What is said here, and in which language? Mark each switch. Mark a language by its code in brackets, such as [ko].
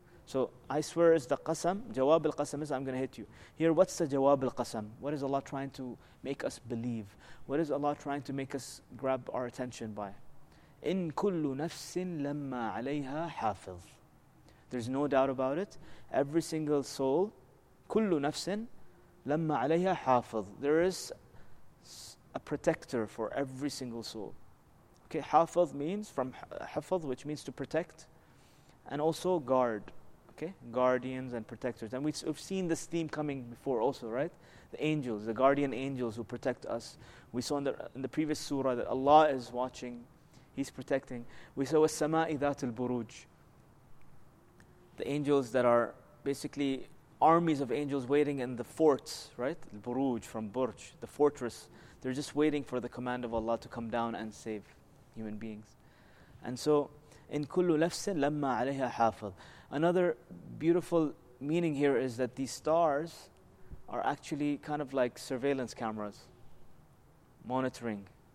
[en] So I swear is the qasam, jawab al-qasam is I'm going to hit you. Here, what's the jawab al-qasam? What is Allah trying to make us believe? What is Allah trying to make us grab our attention by? [ar] In kullu nafsin lamma alayha hafiz. [en] There's no doubt about it. Every single soul, [ar] كل نفس لما عليها حافظ. [en] There is a protector for every single soul. Okay, حافظ means from حفظ, which means to protect, and also guard. Okay, guardians and protectors. And we've seen this theme coming before also, right? The angels, the guardian angels who protect us. We saw in the previous surah that Allah is watching, He's protecting. We saw [ar] السَّمَاءِ ذَاتِ الْبُرُوجِ. [en] The angels that are basically armies of angels waiting in the forts, right? Buruj, from Burj, the fortress. They're just waiting for the command of Allah to come down and save human beings. And so, [ar] in kullu nafsin lamma alayha hafidh. [en] Another beautiful meaning here is that these stars are actually kind of like surveillance cameras, monitoring.